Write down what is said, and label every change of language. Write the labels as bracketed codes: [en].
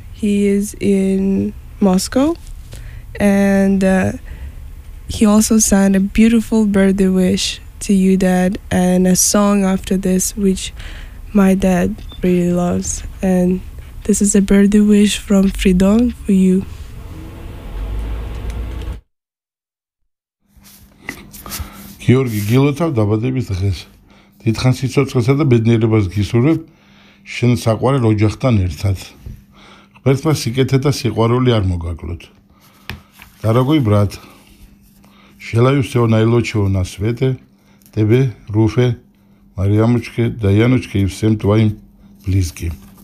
[en] He is in Moscow. And he also sent a beautiful birthday wish to you, Dad, and a song after this, which my dad really loves, and this is a birthday wish from Fridon for you. [ka] Георги Гилотов დაბადების დღეს დიდხანს სიცოცხლესა და ბედნიერებას გისურვებ შენ საყვარელ ოჯახთან ერთად. ღმერთმა სიკეთე და სიყვარული არ მოგაკლოთ. [ru] Дорогой брат, желаю всего наилучшего на свете тебе, Руфе, Мариамочке, Даяночке и всем твоим близким.